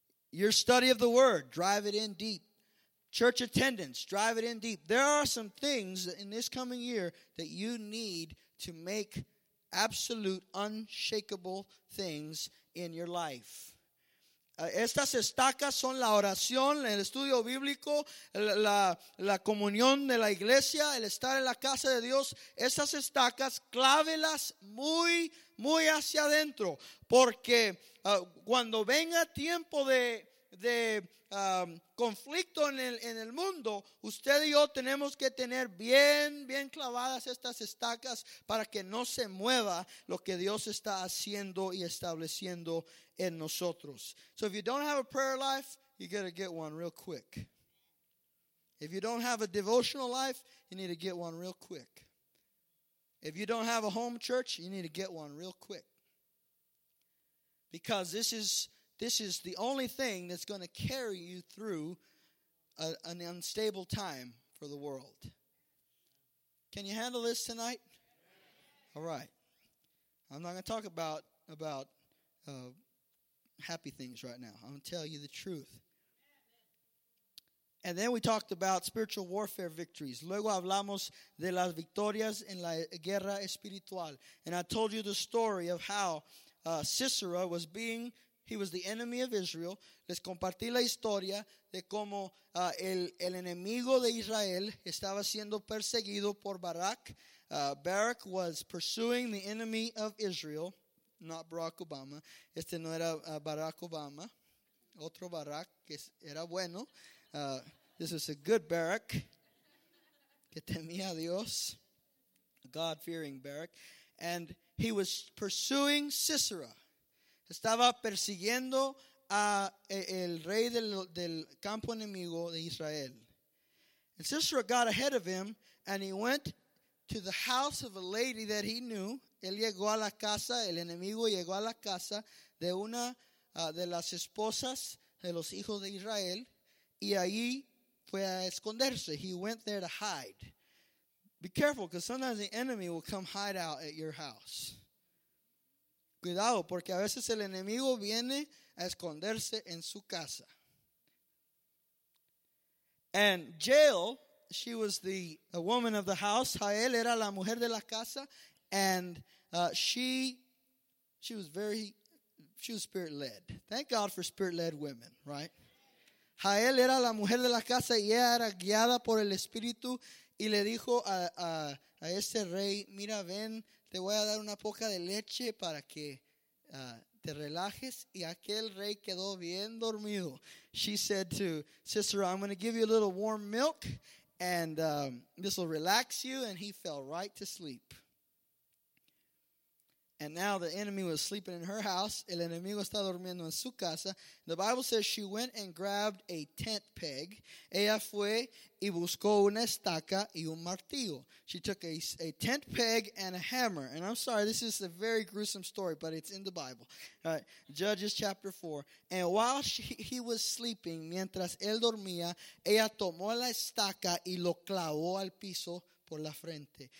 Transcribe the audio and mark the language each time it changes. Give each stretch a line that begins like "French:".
English: Your study of the word, drive it in deep. Church attendance, drive it in deep. There are some things in this coming year that you need to make absolute, unshakable things in your life.
Spanish: Estas estacas son la oración, el estudio bíblico, la comunión de la iglesia, el estar en la casa de Dios. Estas estacas, clávelas muy, muy hacia adentro. Porque cuando venga tiempo de conflicto en el mundo, usted y yo tenemos que tener bien, bien clavadas estas estacas para que no se mueva lo que Dios está haciendo y estableciendo en nosotros.
English: So if you don't have a prayer life, you gotta get one real quick. If you don't have a devotional life, you need to get one real quick. If you don't have a home church, you need to get one real quick. Because this is the only thing that's going to carry you through an unstable time for the world. Can you handle this tonight? All right. I'm not going to talk about happy things right now. I'm going to tell you the truth. And then we talked about spiritual warfare victories.
Spanish: Luego hablamos de las victorias en la guerra espiritual.
English: And I told you the story of how Sisera was being He was the enemy of Israel.
Spanish: Les compartí la historia de cómo el enemigo de Israel estaba siendo perseguido por Barak.
English: Barak was pursuing the enemy of Israel, not Barack Obama.
Spanish: Este no era Barack Obama. Otro Barak que era bueno.
English: This was a good Barak
Spanish: que temía a Dios.
English: God-fearing Barak. And he was pursuing Sisera.
Spanish: Estaba persiguiendo a el rey del campo enemigo de Israel.
English: And Sisera got ahead of him, and he went to the house of a lady that he knew.
Spanish: Él llegó a la casa, el enemigo llegó a la casa de una de las esposas de los hijos de Israel, y ahí fue a esconderse.
English: He went there to hide. Be careful, because sometimes the enemy will come hide out at your house.
Spanish: Cuidado, porque a veces el enemigo viene a esconderse en su casa.
English: And Jael, she was the woman of the house.
Spanish: Jael era la mujer de la casa.
English: And she was spirit-led. Thank God for spirit-led women, right?
Spanish: Jael era la mujer de la casa y ella era guiada por el Espíritu. Y le dijo a este rey, mira, ven, te voy a dar una poca de leche para que te relajes. Y aquel rey quedó bien dormido.
English: She said to Sisera, I'm going to give you a little warm milk, and this will relax you. And he fell right to sleep. And now the enemy was sleeping in her house.
Spanish: El enemigo está durmiendo en su casa.
English: The Bible says she went and grabbed a tent peg.
Spanish: Ella fue y buscó una estaca y un martillo.
English: She took a tent peg and a hammer. And I'm sorry, this is a very gruesome story, but it's in the Bible. All right, Judges chapter 4. And while he was sleeping,
Spanish: mientras él dormía, ella tomó la estaca y lo clavó al piso. Por la frente.